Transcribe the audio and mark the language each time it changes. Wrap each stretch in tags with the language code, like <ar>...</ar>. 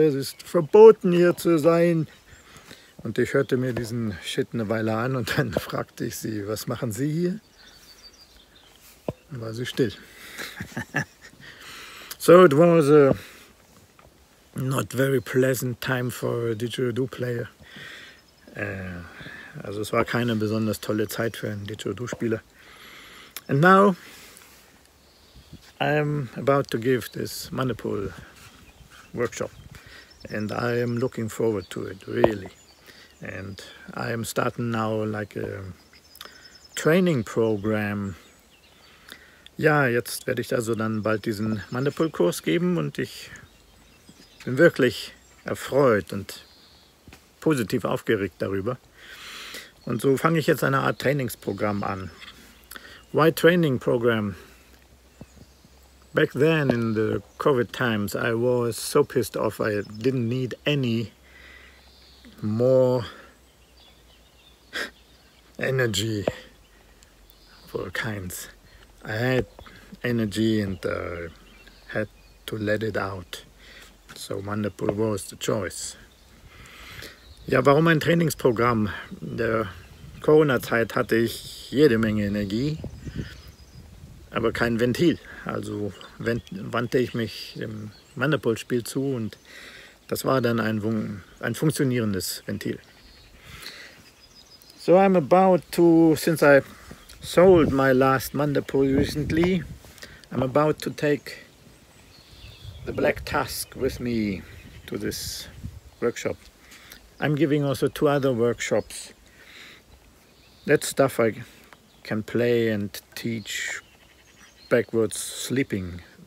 <de>Es ist verboten, hier zu sein. Und ich hörte mir diesen Shit eine Weile an und dann fragte ich sie, was machen Sie hier? Dann war sie still.</de> <en>So it was a not very pleasant time for a didgeridoo player.</en> <de>Also es war keine besonders tolle Zeit für einen Didgeridoo-Spieler.</de> <en>And now I am about to give this Manipul workshop and I am looking forward to it, really. And I am starting now like a training program.</en> <de>Ja, jetzt werde ich also dann bald diesen Manipul-Kurs geben und ich bin wirklich erfreut und positiv aufgeregt darüber. Und so fange ich jetzt eine Art Trainingsprogramm an.</de> <en>Why training program? Back then in the COVID times, I was so pissed off, I didn't need any more energy of all kinds. I had energy and had to let it out. So Manipul was the choice.</en> <de>Ja, warum ein Trainingsprogramm? In der Corona-Zeit hatte ich jede Menge Energie, aber kein Ventil. Also wandte ich mich dem Manipul-Spiel zu und das war dann ein funktionierendes Ventil.</de> <en>So I'm about to, since I sold my last Manipul recently, I'm about to take the Black Tusk with me to this workshop. I'm giving also two other workshops. That's stuff I can play and teach backwards sleeping.</en>